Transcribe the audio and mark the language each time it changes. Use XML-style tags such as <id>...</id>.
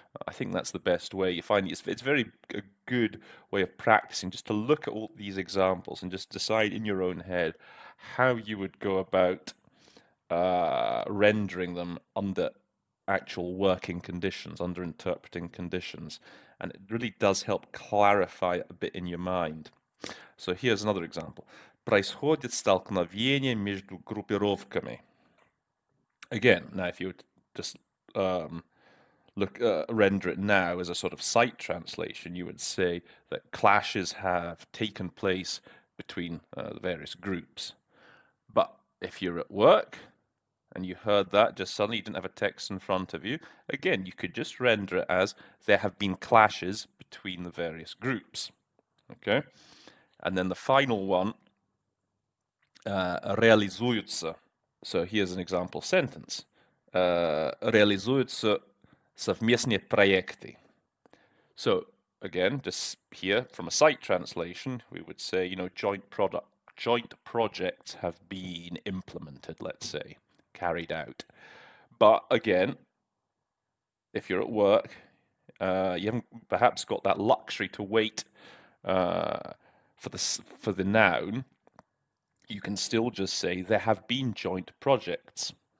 <en>I think that's the best way. You find it's very a good way of practicing, just to look at all these examples and just decide in your own head how you would go about rendering them under actual working conditions, under interpreting conditions. And it really does help clarify a bit in your mind. So here's another example.</en> <ru>Происходит столкновение между группировками.</ru> <en>Again, now if you would just render it now as a sort of site translation, you would say that clashes have taken place between the various groups. But if you're at work and you heard that, just suddenly you didn't have a text in front of you, again, you could just render it as there have been clashes between the various groups. Okay? And then the final one,</en> <ru>реализуется.</ru> <en>So here's an example sentence.</en> <ru>Реализуются совместные проекты.</ru> <en>So again, just here from a site translation, we would say, you know, joint projects have been implemented, let's say, carried out. But again, if you're at work, you haven't perhaps got that luxury to wait for the noun, you can still just say there have been joint projects.</en>